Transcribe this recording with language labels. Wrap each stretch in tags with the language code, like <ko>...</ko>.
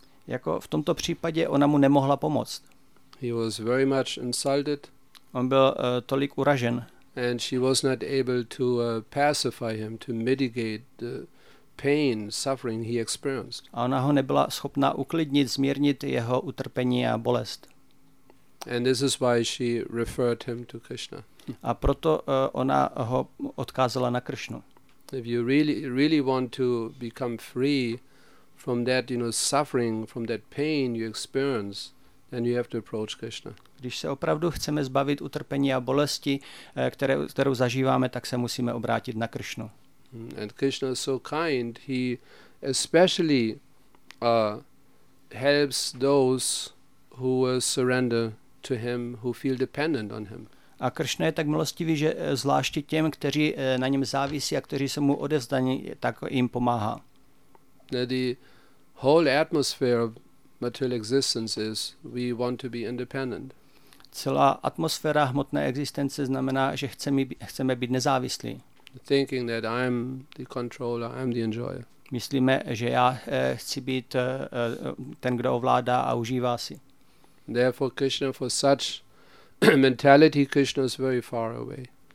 <cs>Jako v tomto případě ona mu nemohla pomoct.</cs> <en>He was very much insulted.</en> <cs>On byl tolik uražen.</cs> <en>And she was not able to pacify him, to mitigate the pain, suffering he experienced.</en> <cs>A ona ho nebyla schopna uklidnit, zmírnit jeho utrpení a bolest.</cs> <en>And this is why she referred him to Krishna.</en> <cs>A proto ona ho odkázala na Kršnu.</cs> <en>If you really want to become free from that, you know, suffering, from that pain you experience, then you have to approach Krishna.</en> <cs>Když se opravdu chceme zbavit utrpení a bolesti, kterou zažíváme, tak se musíme obrátit na Kršnu.</cs> <en>And Krishna is so kind, he especially helps those who surrender to him, who feel dependent on him.</en> <cs>A Kršna je tak milostivý, že zvláště těm, kteří na něm závisí a kteří se mu odevzdaní, tak jim pomáhá.</cs> <en>The whole atmosphere of material existence is we want to be independent.</en> <cs>Celá atmosféra hmotné existence znamená, že chceme být nezávislí.</cs> <en>Thinking that I'm the controller, I'm the enjoyer.</en> <cs>Myslíme, že já chci být ten, kdo ovládá a užívá si.</cs> <en>Therefore Krishna, for such mentality, Krishna is very far away.</en>